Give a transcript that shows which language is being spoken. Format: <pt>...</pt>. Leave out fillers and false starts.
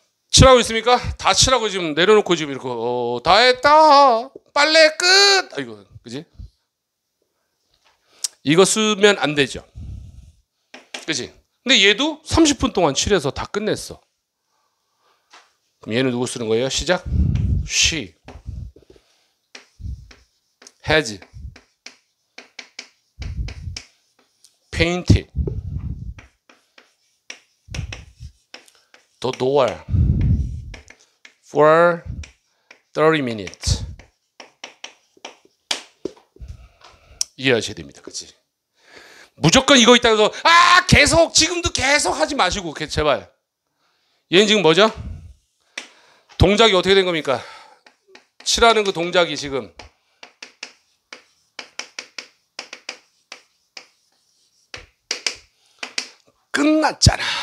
<ko>칠하고 있습니까? 다 칠하고 지금 내려놓고 지금 이렇게 어, 다 했다. 빨래 끝. 아이고. 그지? 이거 쓰면 안 되죠. 그지? 근데 얘도 30분 동안 칠해서 다 끝냈어. 그럼 얘는 누구 쓰는 거예요? 시작.</ko> <en>She has painted the door for 30 minutes.</en> <ko>이해하셔야 됩니다. 그치? 무조건 이거 있다고 해서 아 계속 지금도 계속 하지 마시고 제발. 얘는 지금 뭐죠? 동작이 어떻게 된 겁니까? 칠하는 그 동작이 지금 끝났잖아.</ko>